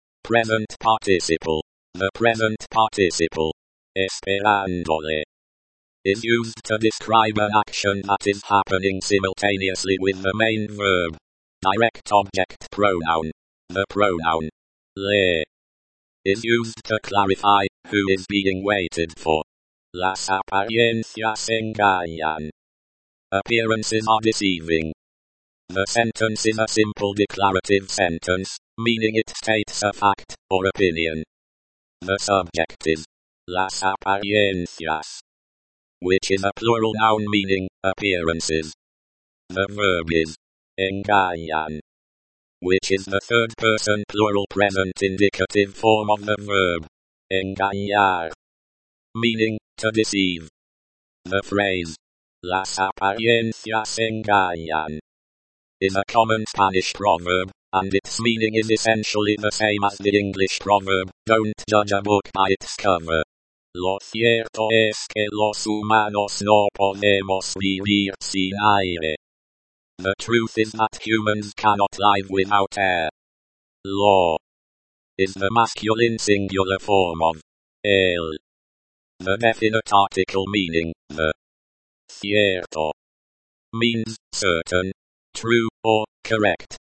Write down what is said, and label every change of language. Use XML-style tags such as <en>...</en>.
<en>Present participle, the present participle, esperándole, is used to describe an action that is happening simultaneously with the main verb. Direct object pronoun, the pronoun, le, is used to clarify who is being waited for.</en> <es>Las apariencias engañan.</es> <en>Appearances are deceiving. The sentence is a simple declarative sentence, meaning it states a fact or opinion. The subject is las apariencias, which is a plural noun meaning appearances. The verb is engañan, which is the third person plural present indicative form of the verb engañar, meaning to deceive. The phrase</en> <es>las apariencias engañan</es> <en>is a common Spanish proverb, and its meaning is essentially the same as the English proverb, don't judge a book by its cover.</en> <es>Lo cierto es que los humanos no podemos vivir sin aire.</es> <en>The truth is that humans cannot live without air. Lo is the masculine singular form of el. The definite article meaning the. Cierto means certain, true, or correct.</en>